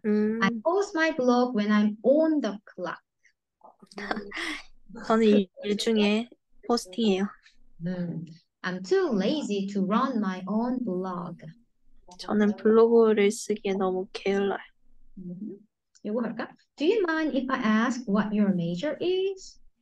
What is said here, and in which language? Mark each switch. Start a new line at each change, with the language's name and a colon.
English: I post my blog when I'm on the clock.
Korean: 저는 일 중에 포스팅이에요.
English: I'm too lazy to run my own blog.
Korean: 저는 블로그를 쓰기에 너무 게을러요. 이거 할까?
English: Do you mind if I ask what your major is?